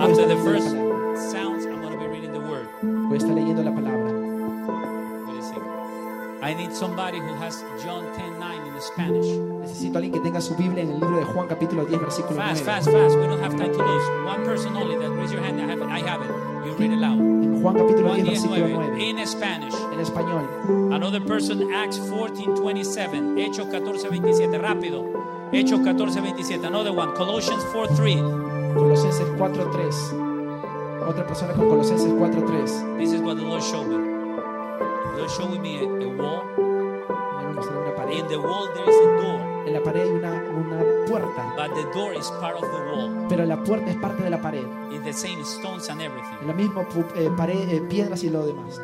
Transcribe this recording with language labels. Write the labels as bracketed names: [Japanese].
[English] After the first sounds, I'm going to be reading the word. [Spanish] Voy a estar leyendo la palabra. [English] I need somebody who has John 10:9 in the Spanish. [Spanish] Necesito a alguien que tenga su Biblia en el libro de Juan capítulo 10 versículo 9. [English] Fast. We don't have time to lose. One person only. That raise your hand. I have it. You read it loud. [Spanish] En Juan capítulo 10 versículo 9. [English] In Spanish. [Spanish] En español. [English] Another person. Acts 14:27. [Spanish] Hechos 14:27. Rápido. Hechos 14:27. [English] Another one. Colossians 4:3. [Spanish] Colosenses 4:3. Otra persona con Colosenses 4:3. [English] This is what the Lord showed me. They're showing me a wall. In the wall there is a door. [Spanish] En la pared hay una puerta. [English] But the door is part of the wall. [Spanish] Pero la puerta es parte de la pared. [English] In the same stones and everything. [Spanish] En la misma pared, piedras y lo demás.